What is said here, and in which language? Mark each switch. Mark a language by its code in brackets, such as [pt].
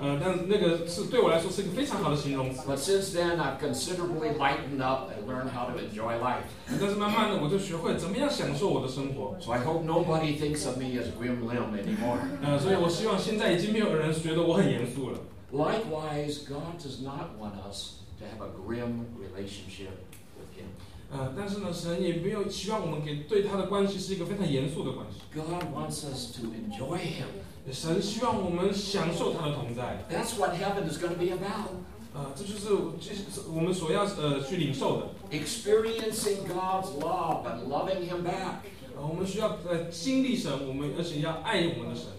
[zh] 但那个是对我来说是一个非常好的形容词。 [en] But since then, I've considerably lightened up and learned how to enjoy life. [zh] 但是慢慢的，我就学会怎么样享受我的生活。 [en] So I hope nobody thinks of me as Grim Lim anymore. [zh] 所以我希望现在已经没有人觉得我很严肃了。 [en] Likewise, God does not want us to have a grim relationship with Him. [zh] 但是呢，神也没有希望我们给对他的关系是一个非常严肃的关系。 [en] God wants us to enjoy Him. [zh] 神希望我们享受他的同在。 [en] That's what heaven is going to be about. [zh] 这就是我们所要去领受的。 [en] Experiencing God's love and loving Him back. [zh] 我们需要经历神，我们而且要爱我们的神。